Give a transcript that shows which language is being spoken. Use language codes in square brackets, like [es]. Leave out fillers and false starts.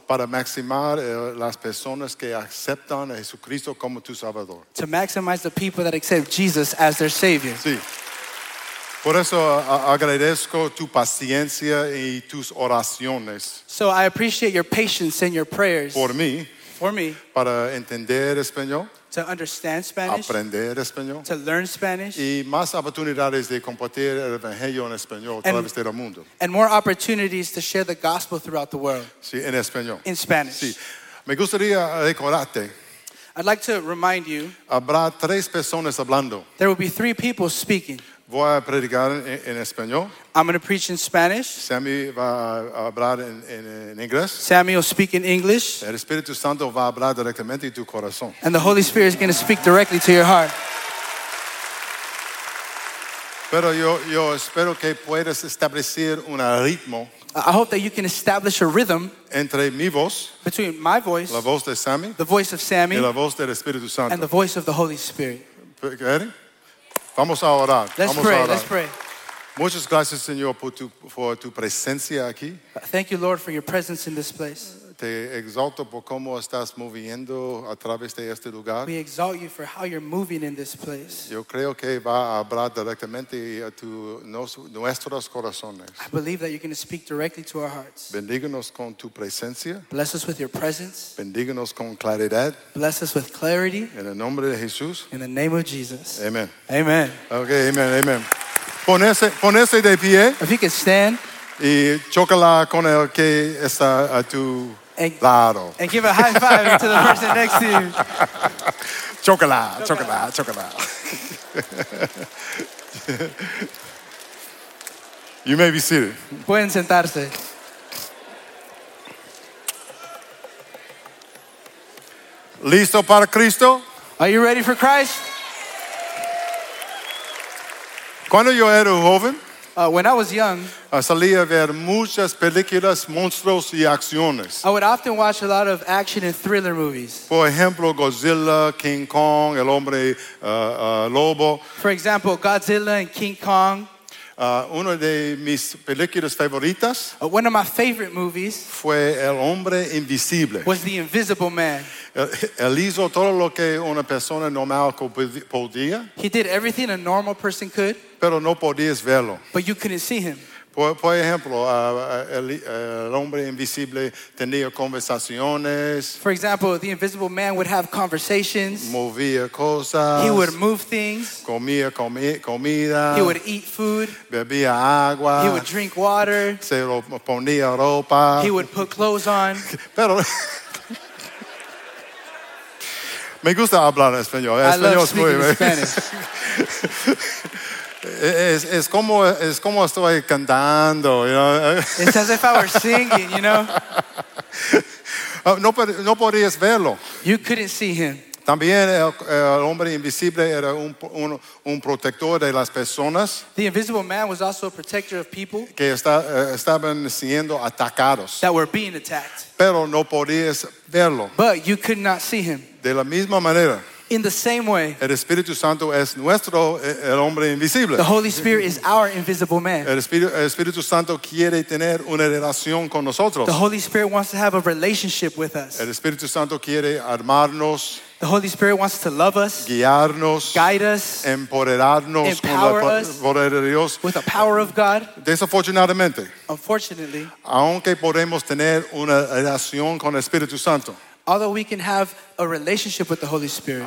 [es] para maximar las personas que aceptan a Jesucristo como tu Salvador. [en] To maximize the people that accept Jesus as their Savior. [es] Sí. Por eso agradezco tu paciencia y tus oraciones. [en] So I appreciate your patience and your prayers for me [es] para entender español. [en] To understand Spanish, [es] aprender español, [en] to learn Spanish, [es] y más oportunidades de compartir el evangelio en español a través del mundo, [en] and more opportunities to share the gospel throughout the world. [es] Sí, en español. [en] In Spanish. [es] Sí. Me gustaría recordarte. [en] I'd like to remind you. [es] Habrá tres personas hablando. [en] There will be three people speaking. [es] Voy a predicar en español. [en] I'm going to preach in Spanish. [es] Sammy va a hablar en inglés. [en] Sammy will speak in English. [es] El Espíritu Santo va a hablar directamente en tu corazón. [en] And the Holy Spirit is going to speak directly to your heart. [es] Pero yo espero que puedas establecer un ritmo. [en] I hope that you can establish a rhythm [es] entre mi voz, [en] between my voice, [es] la voz de Sammy, [en] the voice of Sammy, [es] y la voz del Espíritu Santo, [en] and the voice of the Holy Spirit. [es] Ready? Vamos a orar. [en] Let's pray. [es] Muchas gracias, Señor, por tu presencia aquí. [en] Thank you, Lord, for your presence in this place. [es] Te exalto por cómo estás moviendo a través de este lugar. [en] We exalt you for how you're moving in this place. [es] Yo creo que va a hablar directamente a nuestros corazones. [en] I believe that you're going to speak directly to our hearts. [es] Bendíganos con tu presencia. [en] Bless us with your presence. [es] Bendíganos con claridad. [en] Bless us with clarity. [es] En el nombre de Jesús. [en] In the name of Jesus. Amen. Amen. [es] Okay, amen, amen. Ponese de pie. [en] If you can stand. [es] Y chócala con el que está a tu... [en] And give a high five to the person next to you. [es] Chocolate, chocolate, chocolate. [en] You may be seated. [es] Pueden sentarse. ¿Listo para Cristo? [en] Are you ready for Christ? [es] ¿Cuándo yo era joven? [en] When I was young, [es] salía a ver muchas películas, monstruos y acciones. [en] I would often watch a lot of action and thriller movies. [es] Por ejemplo, Godzilla, King Kong, El Hombre Lobo. [en] For example, Godzilla and King Kong. [es] Una de mis películas favoritas. [en] One of my favorite movies. [es] Fue El Hombre Invisible. [en] Was The Invisible Man. [es] Él hizo todo lo que una persona normal podía. [en] He did everything a normal person could. [es] Pero no podías verlo. [en] But you couldn't see him. [es] Por ejemplo, el hombre invisible tenía conversaciones. [en] For example, the invisible man would have conversations. [es] Movía cosas. [en] He would move things. [es] Comía comida. [en] He would eat food. [es] Bebía agua. [en] He would drink water. [es] Se ponía ropa. [en] He would put clothes on. [es] Pero... Me gusta hablar español. Español es muy bien. Es como estoy cantando, [en] you know. It's as if I were singing, you know. [es] No podías verlo. [en] You couldn't see him. [es] También el hombre invisible era un protector de las personas. [en] The invisible man was also a protector of people. [es] Que estaban siendo atacados. [en] That were being attacked. [es] Pero no podías verlo. [en] But you could not see him. [es] De la misma manera. [en] In the same way. [es] El Espíritu Santo es nuestro el hombre invisible. [en] The Holy Spirit is our invisible man. [es] El Espíritu Santo quiere tener una relación con nosotros. [en] The Holy Spirit wants to have a relationship with us. [es] El Espíritu Santo quiere armarnos. [en] The Holy Spirit wants to love us, [es] guiarnos, [en] guide us, [es] empoderarnos, [en] empower us with the power of God. [es] Desafortunadamente, [en] unfortunately, [es] aunque podemos tener una relación con el Espíritu Santo, [en] Although we can have a relationship with the Holy Spirit.